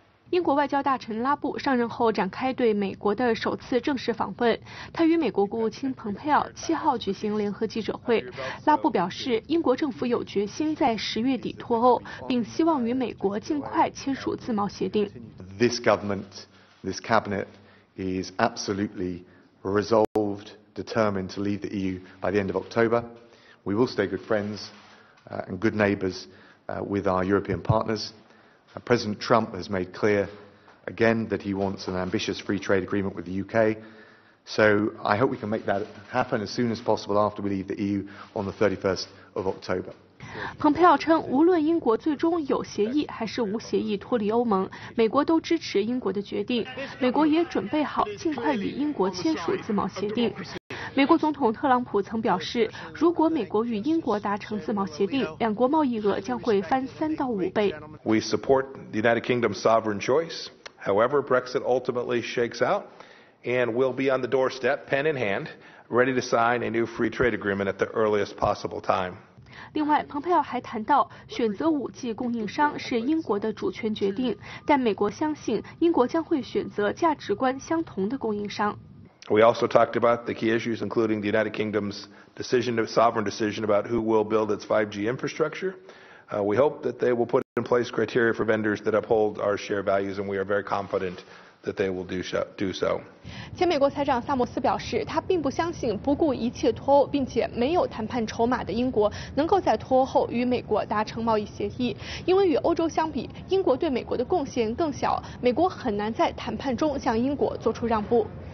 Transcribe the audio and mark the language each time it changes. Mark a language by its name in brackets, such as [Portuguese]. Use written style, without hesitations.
[Chinese] 英国外交大臣拉布上任后展开对美国的首次正式访问，他与美国国务卿蓬佩奥七号举行联合记者会。拉布表示，英国政府有决心在10月底脱欧，并希望与美国尽快签署自贸协定。 [English] This government, this cabinet is absolutely resolved, determined to leave the EU by the end of October. We will stay good friends and good neighbors with our European partners. President Trump has made clear again that he wants an ambitious free trade agreement with the UK. So I hope we can make that happen as soon as possible after we leave the EU on the 31st of October. [Chinese] 蓬佩奥称，无论英国最终有协议还是无协议脱离欧盟，美国都支持英国的决定，美国也准备好尽快与英国签署自贸协定。美国总统特朗普曾表示，如果美国与英国达成自贸协定，两国贸易额将会翻3到5倍。 [English] We support the United Kingdom's sovereign choice, however Brexit ultimately shakes out, and we'll be on the doorstep, pen in hand, ready to sign a new free trade agreement at the earliest possible time. [Chinese] 另外，蓬佩奥还谈到，选择武器供应商是英国的主权决定，但美国相信英国将会选择价值观相同的供应商。 [English] We also talked about the key issues, including the United Kingdom's decision, sovereign decision about who will build its 5G infrastructure. We hope that they will put in place criteria for vendors that uphold our shared values, and we are very confident. That they will do so. [Chinese] 前美国财长萨默斯表示，他并不相信不顾一切脱欧并且没有谈判筹码的英国能够在脱欧后与美国达成贸易协议，因为与欧洲相比，英国对美国的贡献更小，美国很难在谈判中向英国做出让步。